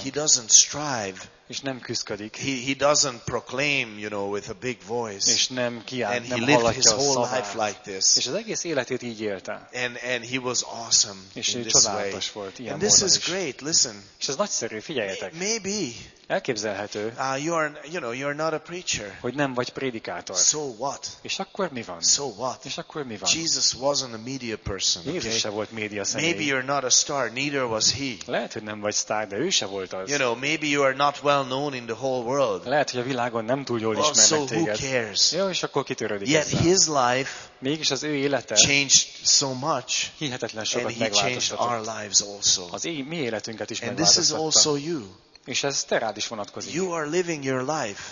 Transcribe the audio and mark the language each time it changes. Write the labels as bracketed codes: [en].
[en] He doesn't strive. [hu] És nem küzdik. [en] He doesn't proclaim, you know, with a big voice. [hu] És nem kiált, [en] and [hu] nem [en] he lived his whole life like this. [hu] És az egész életét így élte. [en] And he was awesome. [hu] És [en] in [hu] csodálatos [en] this way. [hu] Volt ilyen [en] and this [hu] módon [en] is great. Listen. [hu] És ez nagyszerű, figyeljetek. [en] Maybe. [hu] Elképzelhető. [en] You're not a preacher. [hu] Hogy nem vagy prédikátor. [en] So what? [hu] És akkor mi van? [en] So what? [hu] És akkor mi van? [en] Jesus wasn't a media person. [hu] Jézus [en] okay? [hu] Se volt média személy. [en] Maybe you're not a star, neither was he. [hu] Lehet, hogy nem vagy sztár, de ő se volt az. [en] You know, maybe you are not well known in the whole world. [hu] Lehet, hogy a világon nem túl jól [en] well, [hu] ismernek [en] so [hu] téged. [en] Who cares? [hu] Jó, és akkor kitörődik [en] yet [hu] ezzel. [en] His life [hu] mégis az ő élete [en] changed so much. [hu] Hihetetlen sokat [en] and he changed our lives also. [hu] Az én mi életünket is [en] and this is also you. [hu] És ez te rád is vonatkozik. [en] You are living your life.